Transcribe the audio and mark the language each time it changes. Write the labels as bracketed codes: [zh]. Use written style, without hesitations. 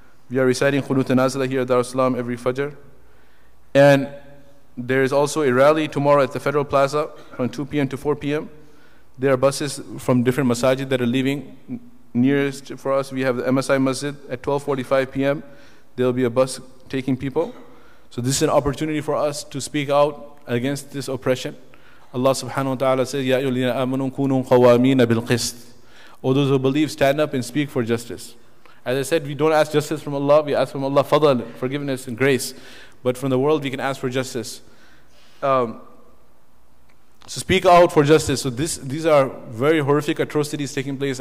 [en] We are reciting Qunut al-Nazilah here at Darul Salaam every Fajr. And there is also a rally tomorrow at the Federal Plaza from 2 p.m. to 4 p.m. There are buses from different masajid that are leaving. Nearest for us, we have the MSI Masjid at 12:45 p.m. There will be a bus taking people. So this is an opportunity for us to speak out against this oppression. Allah subhanahu wa ta'ala says, [ar] يَا أَيُّهَا الَّذِينَ آمَنُوا كُونُوا قَوَّامِينَ بِالْقِسْطِ. [en] All those who believe, stand up and speak for justice. As I said, we don't ask justice from Allah. We ask from Allah fadl, forgiveness and grace. But from the world, we can ask for justice. So speak out for justice. So these are very horrific atrocities taking place.